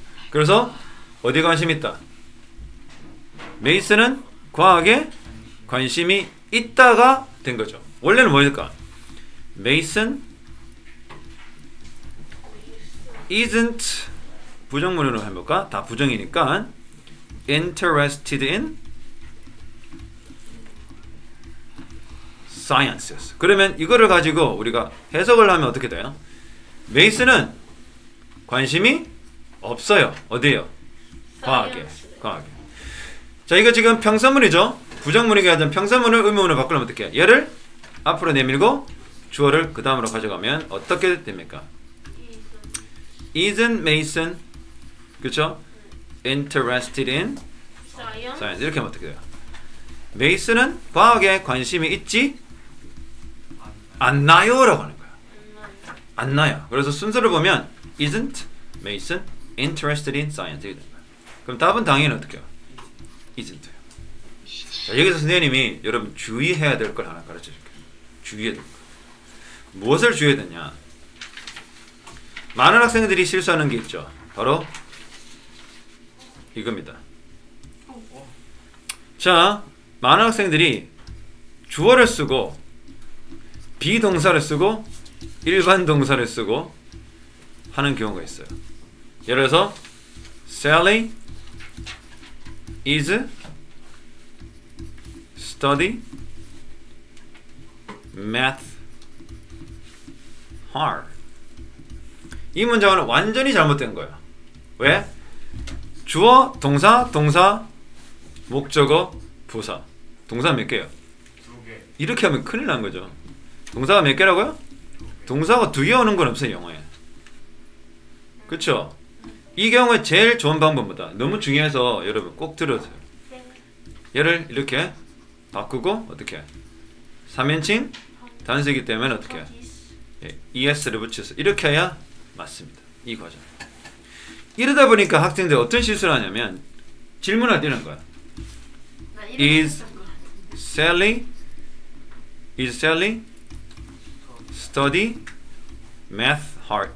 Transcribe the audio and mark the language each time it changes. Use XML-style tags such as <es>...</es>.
<ko>그래서 어디 관심 있다? 메이슨은 과학에 관심이 있다가 된 거죠. 원래는 뭐일까? 메이슨 isn't 부정문으로 해볼까? 다 부정이니까</ko> <en>interested in sciences.</en> <ko>그러면 이거를 가지고 우리가 해석을 하면 어떻게 돼요? 메이슨은 관심이 없어요. 어디에요? 과학에. 과학에. 자, 이거 지금 평서문이죠? 부정문이게 하던 평서문을 의문으로 바꾸려면 어떻게 해요? 얘를 앞으로 내밀고 주어를 그 다음으로 가져가면 어떻게 됩니까?</ko> <en>Isn't Mason, 그쵸? Interested in science.</en> <ko>이렇게 하면 어떻게 돼요? Mason은 과학에 관심이 있지 않나요? 라고 하는 거야. 않나요. 그래서 순서를 보면</ko> <en>Isn't Mason interested in science?</en> <ko>그럼 답은 당연히 어떻게 해요?</ko> <en>Isn't.</en> <ko>자, 여기서 선생님이 여러분 주의해야 될 걸 하나 가르쳐 줄게요. 주의해야 될 거. 무엇을 주의해야 되냐? 많은 학생들이 실수하는 게 있죠. 바로 이겁니다. 자, 많은 학생들이 주어를 쓰고 비동사를 쓰고 일반 동사를 쓰고 하는 경우가 있어요. 예를 들어서</ko> <en>Sally is study math hard.</en> <ko>이 문장은 완전히 잘못된 거야. 왜? 주어, 동사, 동사, 목적어, 부사. 동사 몇 개요? 두 개. 이렇게 하면 큰일 난 거죠. 동사가 몇 개라고요? 동사가 두 개 오는 건 없어요, 영어에. 그쵸? 이 경우에 제일 좋은 방법입니다. 너무 중요해서 여러분 꼭 들으세요. 얘를 이렇게 바꾸고 어떻게 해? 3인칭 단수이기 때문에 어떻게 해? 예, ES를 붙여서 이렇게 해야 맞습니다. 이 과정. 이러다 보니까 학생들 어떤 실수를 하냐면 질문을 띄는 거야.</ko> <en>Is Sally is Sally study math hard?</en>